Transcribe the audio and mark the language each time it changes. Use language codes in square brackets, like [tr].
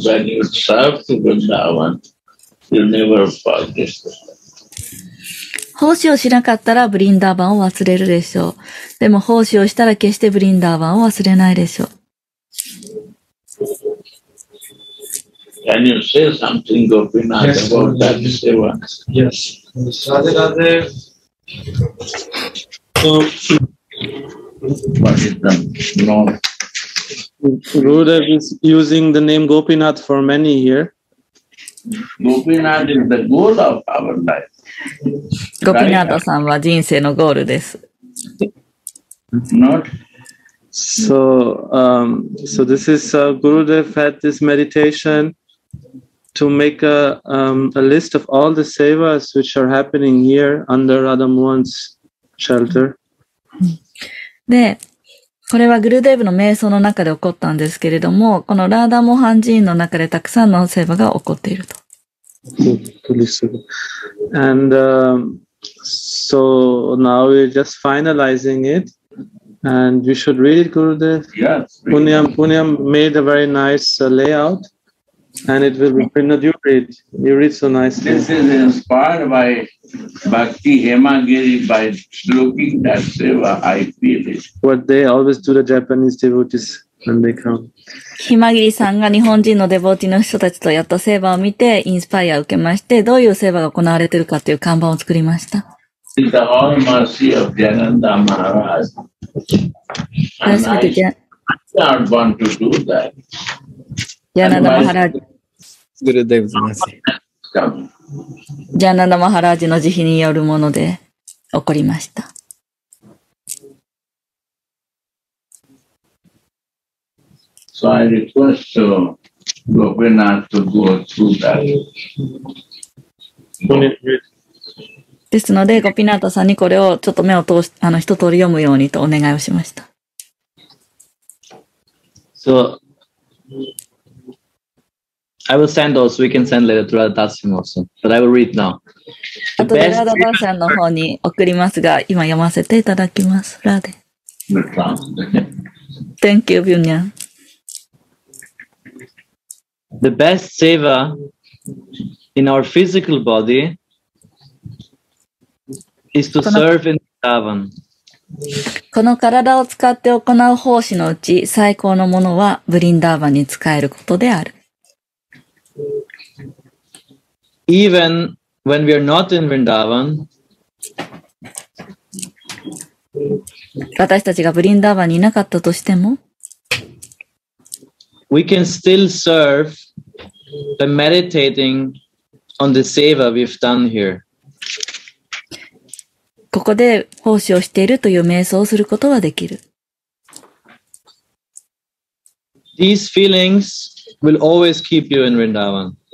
[en] When you serve to Vrindavan, you never forget. [ja] 奉仕をしなかったらブリンダーバンを忘れるでしょう。でも奉仕をしたら決してブリンダーバンを忘れないでしょう。 [en] Can you say something, Gopinath, yes, about that seva? Yes. Radhe Radhe. So, what is the norm? Gurudev is using the name Gopinath for many years. Gopinath is the goal of our life. [ja] Gopinath さんは人生のゴールです。 [en] Not. So, so this is Gurudev had this meditation to make a list of all the sevas which are happening here under Radha Mohan's shelter. [ja] で、これはグルデーブの瞑想の中で起こったんですけれども、このラーダモハン寺院の中でたくさんのセーバが起こっていると。 [en] And so now we're just finalizing it, and we should read it, Gurudev. Yes. Punyam made a very nice layout, and it will be printed. You read. You read so nicely. This is inspired by Bhakti Hemagiri by looking that seva, I feel it. What they always do the Japanese devotees when they come. [ja] Himagiri さんが日本人のデボーティの人たちとやったセーバを見て、インスパイアを受けまして、どういうセーバが行われているかという看板を作りました。 [en] It's the all mercy of Jananda Maharaj. And I don't want to do that. [ja] ジャナダマハラージ。 [en] グルデブズマシ。 [ja] ジャナダマハラージの慈悲によるもので起こりました。 [en] So I request to Gopinath to go through that. [ja] ですので、ゴピナータさんにこれをちょっと目を通し、一通り読むようにとお願いをしました。 [en] So,I will send those. We can send later to Radha Dasyam also. But I will read now. [ja] あとでRadha Dasyamの方に送りますが、今読ませていただきます。Radha. [en] Thank you, Vinaya. The best seva in our physical body is to serve in Vrindavan. [ja] この体を使って行う奉仕のうち最高のものはブリンダーバンに使えることである。 [en] Even when we are not in Vrindavan, [ja] 私たちがブリンダーバンにいなかったとしても、 [en] We can still serve by meditating on the seva we've done here. [ja] ここで奉仕をしているという瞑想をすることはできる。 [en] These feelings will always keep you in Vrindavan.